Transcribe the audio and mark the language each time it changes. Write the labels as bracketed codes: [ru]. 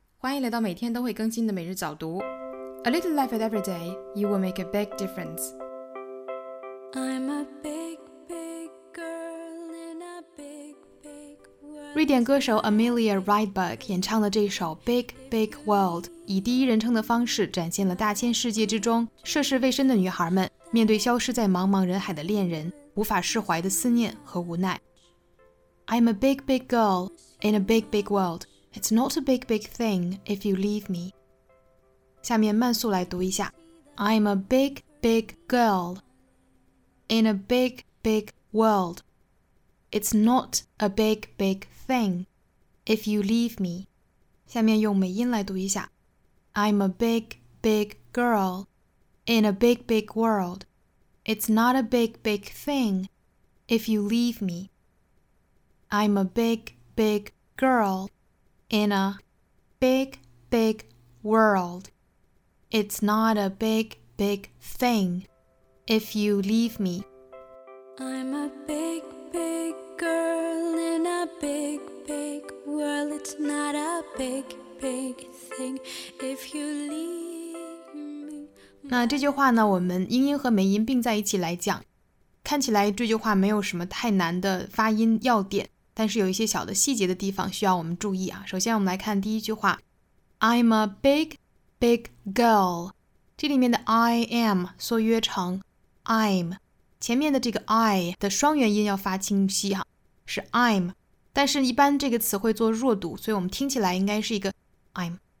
[zh] 欢迎来到每天都会更新的每日早读。 [en] A little life at every day, you will make a big difference. I'm a big, big girl in a big, big world. [zh] 瑞典歌手 Amelia Rydberg 演唱了这首 Big, Big World, 以第一人称的方式展现了大千世界之中涉世未深的女孩们面对消失在茫茫人海的恋人无法释怀的思念和无奈。 [en] I'm a big, big girl in a big, big world. It's not a big, big thing if you leave me. [zh] 下面慢速来读一下。 [en] I'm a big, big girl in a big, big world. It's not a big, big thing if you leave me. [zh] 下面用美音来读一下。 [en] I'm a big, big girl in a big, big world. It's not a big, big thing if you leave me. I'm a big, big girl in a big, big world. It's not a big, big thing if you leave me. I'm a big, big girl in a big, big world. It's not a big, big thing if you leave me. [zh] 那这句话呢，我们英音和美音并在一起来讲，看起来这句话没有什么太难的发音要点。但是有一些小的细节的地方需要我们注意啊。首先我们来看第一句话 [en] I'm a big, big girl [zh] 这里面的 I am 缩约成 I'm 前面的这个 I 的双元音要发清晰啊，是 I'm 但是一般这个词会做弱读所以我们听起来应该是一个 I'm